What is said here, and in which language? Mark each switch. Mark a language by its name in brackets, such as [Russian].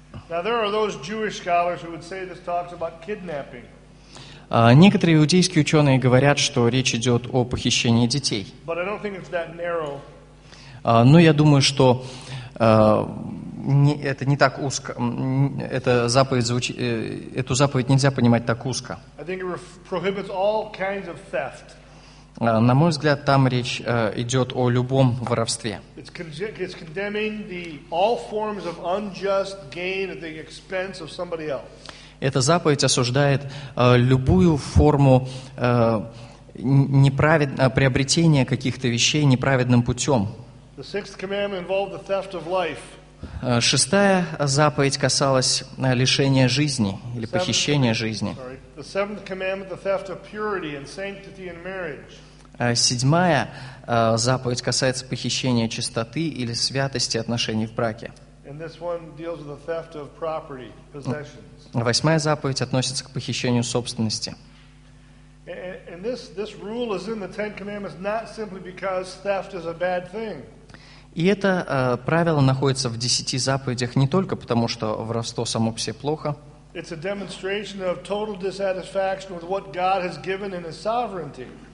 [English] Now there are those Jewish scholars who would say this talks about kidnapping. [Russian] Некоторые иудейские ученые говорят, что речь идет о похищении детей. [English] But I don't think it's that narrow. [Russian] Но я думаю, что это не так узко. Эту заповедь нельзя понимать так узко. [English] I think it prohibits all kinds of theft. [Russian] На мой взгляд, там речь идет о любом воровстве. [English] It's condemning the all forms of unjust gain at the expense of somebody else. [Russian] Эта заповедь осуждает любую форму приобретения каких-то вещей неправедным путем. [English] The sixth commandment involved the theft of life. [Russian] Шестая заповедь касалась лишения жизни или похищения жизни. [English] The seventh commandment, the theft of purity and sanctity in marriage. [Russian] Седьмая заповедь касается похищения чистоты или святости отношений в браке. [English] And this one deals with the theft of property, possessions. [Russian] Восьмая заповедь относится к похищению собственности. [English] And this rule is in the Ten Commandments not simply because theft is a bad thing. [Russian] И это правило находится в десяти заповедях не только потому, что воровство само по себе плохо. [English] It's a demonstration of total dissatisfaction with what God has given in His sovereignty.